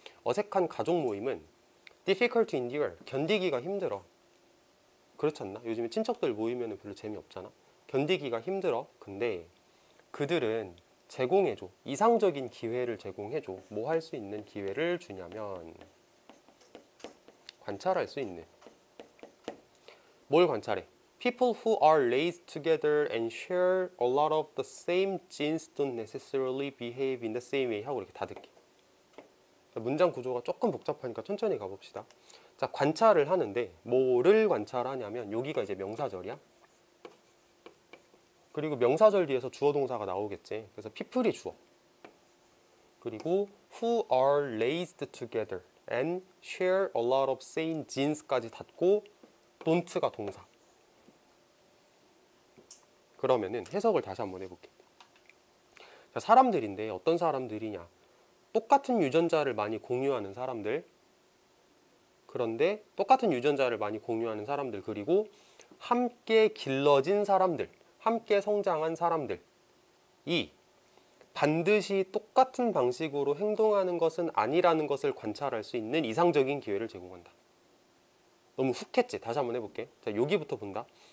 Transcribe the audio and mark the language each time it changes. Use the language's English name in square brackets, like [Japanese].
[Korean] 어색한 가족 모임은 [English] difficult to endure. [Korean] 견디기가 힘들어. 그렇지 않나? 요즘에 친척들 모이면 별로 재미없잖아. 견디기가 힘들어. 근데 그들은 제공해줘. 이상적인 기회를 제공해줘. 뭐할수 있는 기회를 주냐면, 관찰할 수 있는. 뭘 관찰해? [English] People who are raised together and share a lot of the same genes don't necessarily behave in the same way. [Korean] 하고 이렇게 닫을게. 문장 구조가 조금 복잡하니까 천천히 가봅시다. 자, 관찰을 하는데, 뭐를 관찰하냐면, 여기가 이제 명사절이야. 그리고 명사절 뒤에서 주어 동사가 나오겠지. 그래서 people이 주어. 그리고 [English] who are raised together and share a lot of same genes [Korean] 까지 닫고, don't가 동사. 그러면은 해석을 다시 한번 해볼게. 자, 사람들인데 어떤 사람들이냐? 똑같은 유전자를 많이 공유하는 사람들. 그런데 똑같은 유전자를 많이 공유하는 사람들, 그리고 함께 길러진 사람들, 함께 성장한 사람들이 반드시 똑같은 방식으로 행동하는 것은 아니라는 것을 관찰할 수 있는 이상적인 기회를 제공한다. 너무 훅했지? 다시 한번 해볼게. 자, 여기부터 본다.